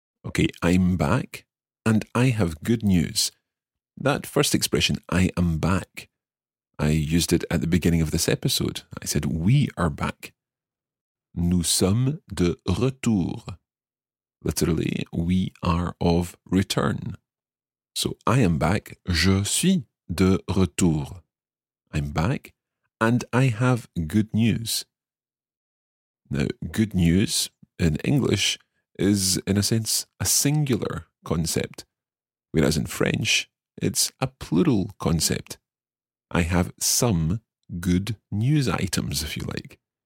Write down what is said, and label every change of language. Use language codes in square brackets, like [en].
[en] Okay, I'm back, and I have good news. That first expression, I am back, I used it at the beginning of this episode. I said, we are back. [fr] Nous sommes de retour. [en] Literally, we are of return. So, I am back, [fr] je suis de retour. [en] I'm back, and I have good news. Now, good news, in English, is, in a sense, a singular concept, whereas in French, it's a plural concept. I have some good news items, if you like.